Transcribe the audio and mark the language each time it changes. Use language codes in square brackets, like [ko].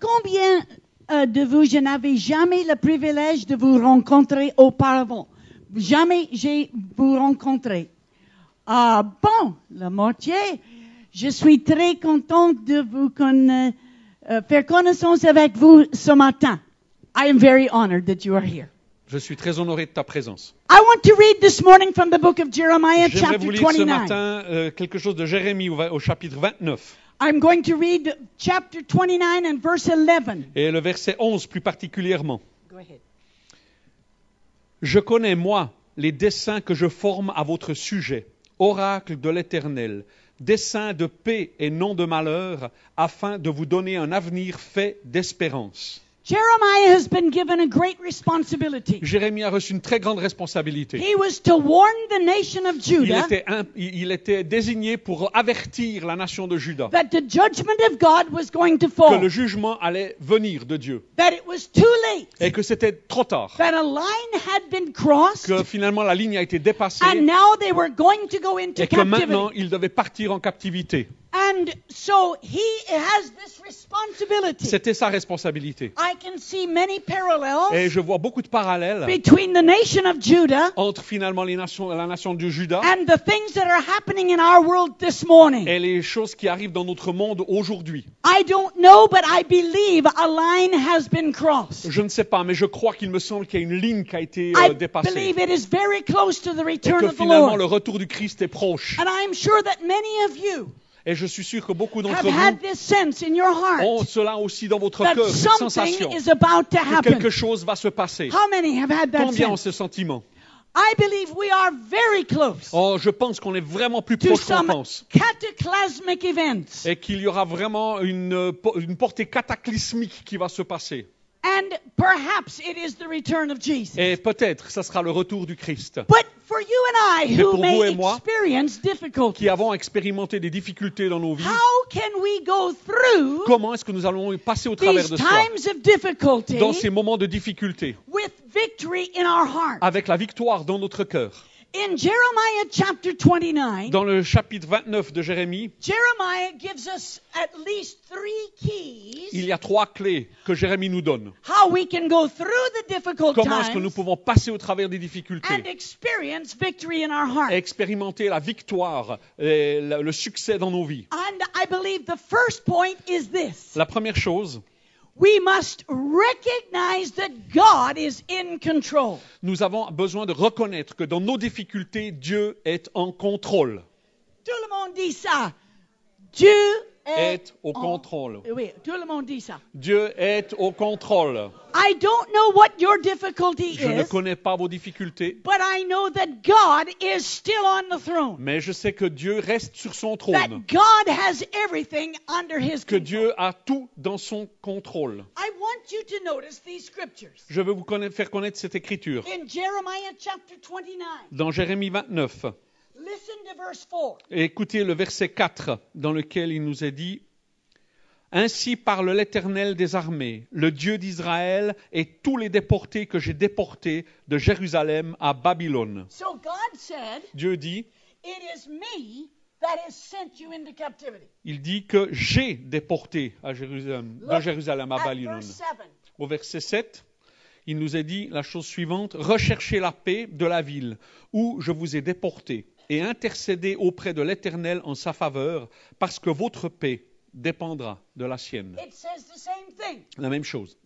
[fr] Combien de vous, je n'avais jamais le privilège de vous rencontrer auparavant? Jamais j'ai vous rencontré. Bon, la moitié. Je suis très contente de vous faire connaissance avec vous ce matin. [en] I am very honored that you are here. [fr] Je suis très honoré de ta présence. [en] I want to read this morning from the book of Jeremiah, chapter [fr] J'aimerais vous lire ce matin quelque chose de Jérémie au chapitre 29. [en] I'm going to read chapter 29 and verse 11. [fr] Et le verset 11 plus particulièrement. [en] Go ahead. [fr] Je connais, moi, les desseins que je forme à votre sujet, oracle de l'Éternel. Dessein de paix et non de malheur, afin de vous donner un avenir fait d'espérance. [en] Jeremiah has been given a great responsibility. [fr] Jérémie a reçu une très grande responsabilité. [en] He was to warn the nation of Judah. [fr] Il était désigné pour avertir la nation de Juda. [en] That the judgment of God was going to fall. [fr] Que le jugement allait venir de Dieu. [en] That it was too late. [fr] Et que c'était trop tard. [en] That a line had been crossed. [fr] Que finalement la ligne a été dépassée. [en] And now they were going to go into captivity. [fr] Et que maintenant ils devaient partir en captivité. [en] And so he has this responsibility. [fr] C'était sa responsabilité. [en] I can see many parallels. [fr] Et je vois beaucoup de parallèles. [en] Between the nation of Judah. [fr] Entre finalement la nation du Juda. [en] And the things that are happening in our world this morning. [fr] Et les choses qui arrivent dans notre monde aujourd'hui. [en] I don't know, but I believe a line has been crossed. [fr] Je ne sais pas, mais je crois qu'il me semble qu'il y a une ligne qui a été dépassée. [en] I believe it is very close to the return of the Lord. [fr] Et que finalement le retour du Christ est proche. [en] And I'm sure that many of you. [fr] Et je suis sûr que beaucoup d'entre vous ont cela aussi dans votre cœur, cette sensation que quelque chose va se passer. Combien ont ce sentiment? [en] I believe we are very close. [fr] Oh, je pense qu'on est vraiment plus proche qu'on pense. [en] Cataclysmic events. [fr] Et qu'il y aura vraiment une portée cataclysmique qui va se passer. [en] And perhaps it is the return of Jesus. [fr] Et peut-être ça sera le retour du Christ. [en] But for you and I, who may experience difficulties, [fr] qui avons expérimenté des difficultés dans nos vies, [en] how can we go through? [fr] Comment est-ce que nous allons passer au travers de [en] times of difficulty, [fr] dans ces moments de difficulté, [en] with victory in our heart, [fr] avec la victoire dans notre cœur. [en] In Jeremiah chapter 29, [fr] dans le chapitre 29 de Jérémie, [en] Jeremiah gives us at least three keys. [fr] Il y a trois clés que Jérémie nous donne. [en] How we can go through the difficult times. [fr] Comment est-ce que nous pouvons passer au travers des difficultés? [en] And experience victory in our hearts. [fr] Expérimenter la victoire, le succès dans nos vies. [en] And I believe the first point is this. [fr] La première chose. [en] We must recognize that God is in control. [fr] Nous avons besoin de reconnaître que dans nos difficultés, Dieu est en contrôle. Tout le monde dit ça. Dieu est au contrôle. Oui, tout le monde dit ça. Dieu est au contrôle. [en] I don't know what your difficulty is. [fr] Je ne connais pas vos difficultés. [en] But I know that God is still on the throne. [fr] Mais je sais que Dieu reste sur son trône. [en] That God has everything under his control. [fr] Que Dieu a tout dans son contrôle. [en] I want you to notice these scriptures. [fr] Je veux vous faire connaître cette écriture. [en] In Jeremiah chapter 29. [fr] Dans Jérémie 29. [en] Listen to verse 4. [fr] Écoutez le verset 4 dans lequel il nous est dit: Ainsi parle l'Éternel des armées, le Dieu d'Israël et tous les déportés que j'ai déportés de Jérusalem à Babylone. [en] So God said, [fr] Dieu dit, [en] It is me that has sent you into captivity. [fr] Il dit que j'ai déporté à Jérusalem, de Jérusalem à Babylone. Au verset 7. Il nous a dit la chose suivante, « Recherchez la paix de la ville où je vous ai déporté et intercédez auprès de l'Éternel en sa faveur parce que votre paix dépendra de la sienne. » La même chose.